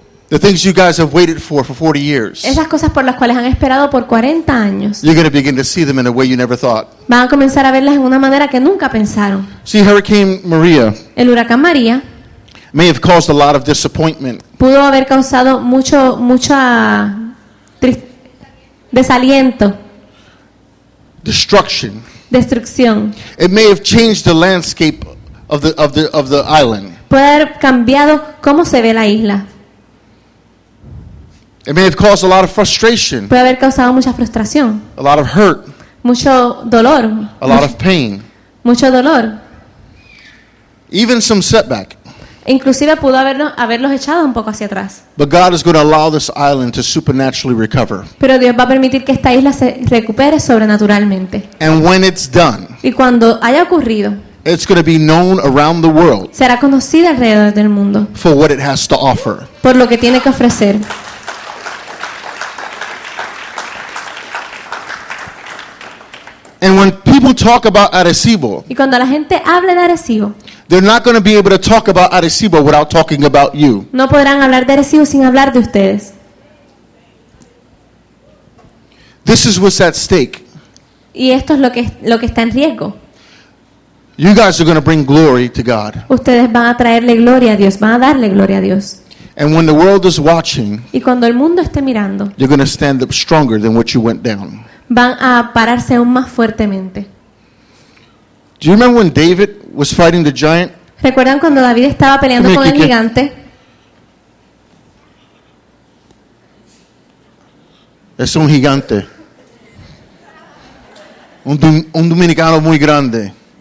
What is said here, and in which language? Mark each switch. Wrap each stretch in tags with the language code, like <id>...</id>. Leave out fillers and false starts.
<en>The things you guys have waited for 40 years.</en> <es>Esas cosas por las cuales han esperado por 40 años.</es> <en>You're going to begin to see them in a way you never thought.</en> <es>Van a comenzar a verlas en una manera que nunca pensaron.</es> <en>See, Hurricane Maria.</en> <es>El huracán María.</es> <en>May have caused a lot of disappointment.</en> <es>Pudo haber causado mucha desaliento.</es> <en>Destruction.</en> <es>Destrucción.</es> <en>It may have changed the landscape of the island.</en> <es>Puede haber cambiado cómo se ve la isla.</es> <en>It may have caused a lot of frustration.</en> <es>Puede haber causado mucha frustración.</es> <en>A lot of hurt.</en> <es>Mucho dolor.</es> <en>A lot of pain.</en> <es>Mucho dolor.</es> <en>Even some setback.</en> <es>Inclusive pudo haberlos echado un poco hacia atrás.</es> <en>But God is going to allow this island to supernaturally recover.</en> <es>Pero Dios va a permitir que esta isla se recupere sobrenaturalmente.</es> <en>And when it's done.</en> <es>Y cuando haya ocurrido.</es> <en>It's going to be known around the world.</en> <es>Será conocida alrededor del mundo.</es> <en>For what it has to offer.</en> <es>Por lo que tiene que ofrecer.</es> <en>And when people talk about Arecibo,</en> <es>y cuando la gente habla de Arecibo,</es> <en>they're not going to be able to talk about Arecibo without talking about you.</en> <es>No podrán hablar de Arecibo sin hablar de ustedes.</es> <en>This is what's at stake.</en> <es>Y esto es lo que está en riesgo.</es> <en>You guys are going to bring glory to God.</en> <es>Ustedes van a traerle gloria a Dios, van a darle gloria a Dios.</es> <en>And when the world is watching,</en> <es>y cuando el mundo esté mirando,</es> <en>you're going to stand up stronger than what you went down.</en> <es>Van a pararse aún más fuertemente.</es> <en>Do you remember when David was fighting the giant?</en> <es>¿Recuerdan cuando David estaba peleando con el gigante? Es un gigante. Un dominicano muy grande.</es>